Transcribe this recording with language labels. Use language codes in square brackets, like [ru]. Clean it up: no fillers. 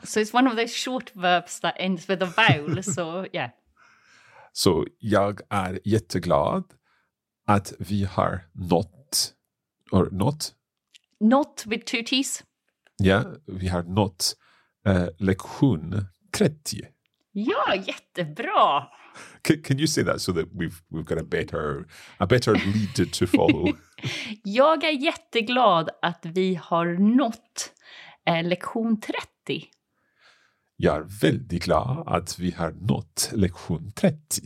[en] So it's one of those short verbs that ends with a vowel, so yeah. [sv] Så jag är jätteglad att vi har nått, [en] or not? Not with two T's. [sv] Ja, vi har nått lektion 30. Ja, jättebra! [en] Can you say that so that we've got a better lead to follow? [sv] Jag är jätteglad att vi har nått lektion 30. Jag är väldigt glad att vi har nått lektion 30.